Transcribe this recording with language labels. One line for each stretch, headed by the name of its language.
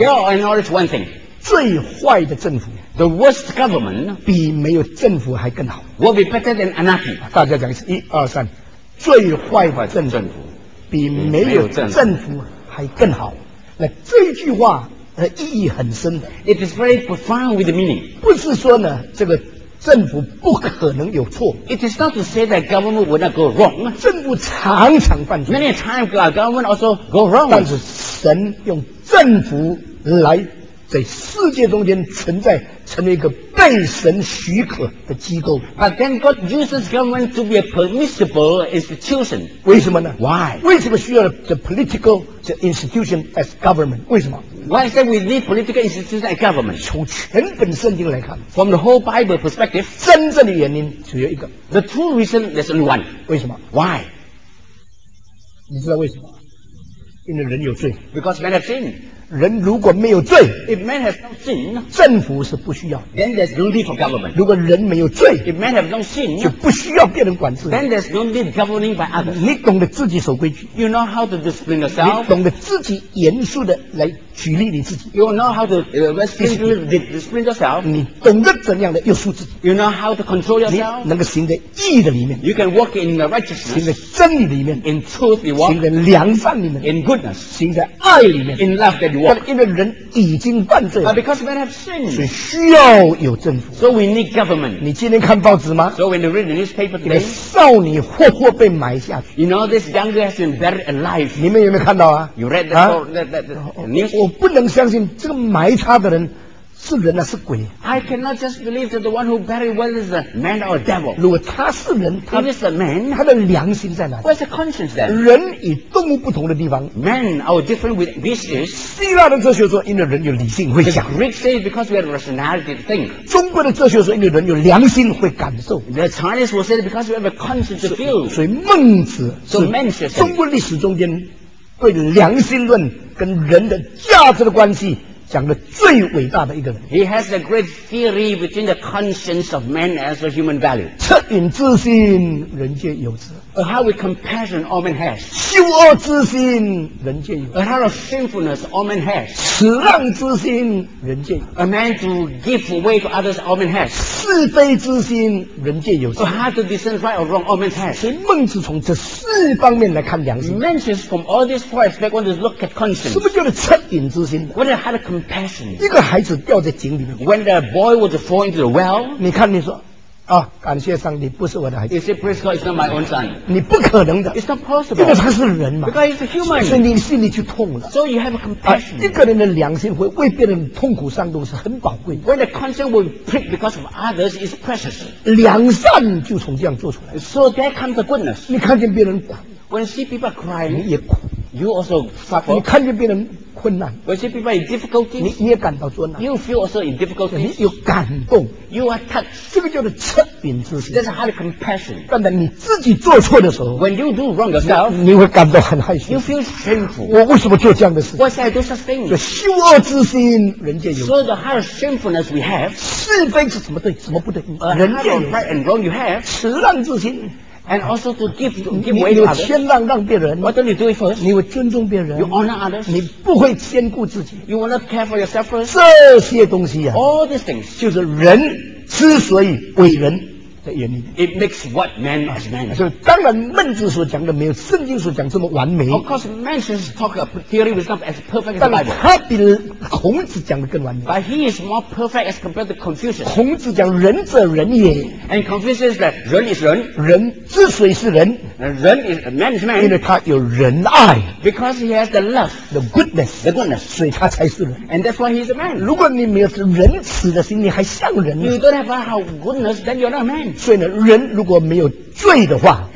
English: They all acknowledge one thing.
Chinese: 最坏的政府。
English: The worst government
Chinese: 比没有政府还更好
English: will be better than anarchy
Chinese: 大家讲一次一二三最坏的政府比没有政府还更好那这句话的意义很深的
English: it is very profound with the meaning
Chinese: 不是说呢这个政府不可能有错
English: it is not to say that government would not go wrong
Chinese: 政府常常犯错
English: many times our government also go wrong
Chinese: 但是神用政府来在世界中间存在成为一个被神许可的机构
English: But then God uses government to be a permissible institution
Chinese: 为什么呢
English: Why?
Chinese: 为什么需要
English: the institution as government
Chinese: 为什么
English: Why is that we need political institution as government
Chinese: 从全本圣经来看
English: From the whole Bible perspective
Chinese: 真正的原因只有一个
English: The true reason there's only one
Chinese: 为什么
English: Why?
Chinese: 你知道为什么因为人有罪
English: Because man has sinned
Chinese: 人如果没有罪，
English: if man has no sin,
Chinese: 政府是不需要的。
English: Then there's no need for government.
Chinese: 如果人没有罪，
English: if man has no sin,
Chinese: 就不需要别人管制。
English: Then there's no need governing by others.
Chinese: 你懂得自己守规矩。
English: You know how to discipline yourself.
Chinese: 你懂得自己严肃的来举例你自己。
English: You know how to discipline yourself.
Chinese: 你懂得怎样的约束自己。
English: You know how to control yourself.
Chinese: 你能够行在义的里面。
English: You can walk in the righteousness.
Chinese: 行在真理里面。
English: In truth, you walk.
Chinese: 行在良善里面。
English: In goodness.
Chinese: 行在爱里面。
English: In love that you walk.
Chinese: 但因为人已经犯罪了。
English: But because men have sinned.
Chinese: 所以需要有政府。
English: So we need government.
Chinese: 你今天看报纸吗？
English: So when you read the newspaper today.
Chinese: 你的少女活活被埋下去。
English: You know this young girl has been buried alive.
Chinese: 你们有没有看到啊？
English: You read the news.
Chinese: 我不能相信这个埋他的人是人啊是鬼。
English: I cannot just believe that the one who buried well is a man or a devil.
Chinese: 如果他是人，他
English: is a man,
Chinese: 他的良心在哪里？
English: Where's the conscience then?
Chinese: 人与动物不同的地方。
English: Men are different with beasts.
Chinese: 希腊的哲学说，因为人有理性会想。
English: The Greeks say because we have rationality to think.
Chinese: 中国的哲学说，因为人有良心会感受。
English: The Chinese will say because we have a conscience to feel.
Chinese: 所以孟子是中国历史中间对良心论跟人的价值的关系讲的最伟大的一个人。
English: He has a great theory between the conscience of man as a human value.
Chinese: 恻隐之心，人皆有之。
English: A heart with compassion all men has.
Chinese: 羞恶之心，人皆有之。
English: A heart of sinfulness all men has.
Chinese: 慈让之心，人皆有之。
English: A man to give away to others all men has.
Chinese: 是非之心，人皆有之。
English: A heart to discern right or wrong all men has.
Chinese: 所以孟子从这四方面来看良心。
English: Mentions from all these four aspects when to look at conscience.
Chinese: 什么叫做恻隐之心？
English: What a heart of compassion.
Chinese: 一个孩子掉在井里面。
English: When the boy was fall into the well.
Chinese: 你看你说。啊、哦！感谢上帝，不是我的孩子。
English: You say, praise God, it's not my own son.
Chinese: 你不可能的。
English: It's not possible.
Chinese: 因为他是人嘛。
English: Because he's a human.
Chinese: 所以你心里就痛了。
English: So you have a compassion.、
Chinese: 啊、一个人的良心会为别人痛苦上路是很宝贵的。
English: When the conscience will prick because of others is precious.
Chinese: 良善就从这样做出来。
English: So there comes the goodness.
Chinese: 你看见别人苦。
English: When you see people crying,
Chinese: 你也苦。
English: You also suffer.
Chinese: 你看见别人困难。
English: When you see people in difficulties,
Chinese: 你也感到作难。
English: You feel also in difficulties.
Chinese: 你有感动。
English: You are touched.
Chinese: 这个叫做恻隐之心。
English: That's a heart of compassion.
Chinese: 但在你自己做错的时候，
English: When you do wrong yourself,
Chinese: 你会感到很害羞。
English: You feel shameful.
Chinese: 我为什么做这样的事？
English: Why should I do such things?
Chinese: 就羞恶之心，人皆有。
English: So the heart of shamefulness we have.
Chinese: 是非是什么对，什么不对？人皆有。
English: Right and wrong you have.
Chinese: 慈让之心。
English: And also to give away to others.
Chinese: 你先让别人。
English: What do you do first?
Chinese: 你会尊重别人。
English: You honor others.
Chinese: 你不会先顾自己。
English: You will not care for yourself first.
Chinese: 这些东西啊。
English: All these things.
Chinese: 就是人之所以为人的原因。
English: It makes what man is man.
Chinese: 所以当然孟子所讲的没有圣经所讲这么完美。
English: Of course, man should talk a theory with not as perfect as Bible.
Chinese: 他比孔子讲的更完美。
English: But he is more perfect as compared to Confucius.
Chinese: 孔子讲仁者仁也。
English: And Confucius said,
Chinese: 人
English: is 人。
Chinese: 人之所以是人。人
English: is man is man.
Chinese: 因为他有仁爱。
English: Because he has the love. The goodness. The goodness.
Chinese: 所以他才是人。
English: And that's why he is a man.
Chinese: 如果你没有仁慈的心，你还像人。
English: You don't have a heart of goodness, then you're not a man.
Chinese: 所以呢，人如果没有罪的话，